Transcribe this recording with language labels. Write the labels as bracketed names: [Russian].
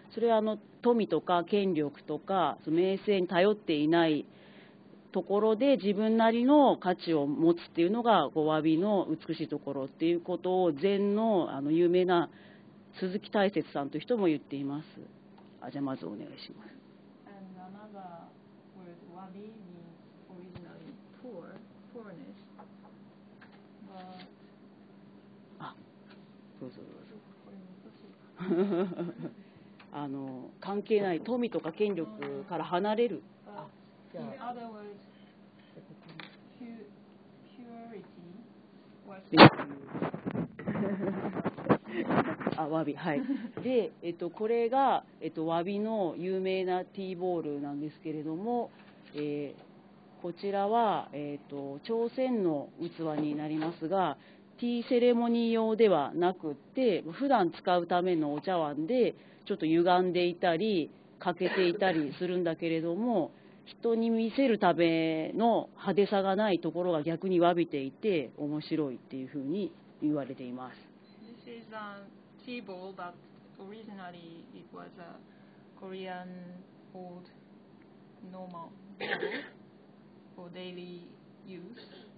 [Japanese] それはあの富とか権力とか名声に頼っていないところで自分なりの価値を持つっていうのがこうわびの美しいところっていうことを禅の、 あの有名な鈴木大拙さんという人も言っています。あ、じゃあまずお願いします。 [English] And another word, わび means originally poorness. But... [Japanese] あ、どうぞどうぞ。あの関係ない富とか権力から離れる。あ、 [English] じゃあ。 In other words, purity was the same. [Japanese] あ、わび、はい。で、これが、わびの有名なティーボールなんですけれども、こちらは、朝鮮の器になりますが、ティーセレモニー用ではなくって、普段使うためのお茶碗で、ちょっと歪んでいたり、欠けていたりするんだけれども、人に見せるための派手さがないところが逆にわびていて、面白いっていうふうに言われています。 [English] This is a tea bowl, but originally it was a Korean old normal bowl for daily use.